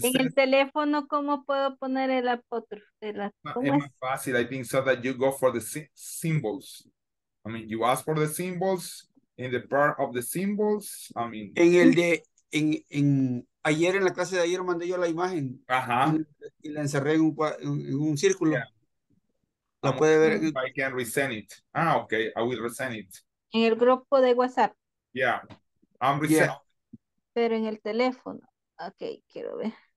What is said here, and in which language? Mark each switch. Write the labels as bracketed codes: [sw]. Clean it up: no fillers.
[es] said... En el teléfono, ¿cómo puedo poner el apóstrofe? Es más fácil. [en] I think so that you go for the symbols. I mean, you ask for the symbols in the part of the symbols. I mean... [es] En el de... En... Ayer en la clase de ayer mandé yo la imagen. Ajá. Y la encerré en un círculo. Yeah. La puede ver. [en] If I can resend it. Ah, okay. I will resend it. [es] En el grupo de WhatsApp. [en] Yeah. I'm resend. Yeah. [es] Pero en el teléfono. Okay, quiero ver.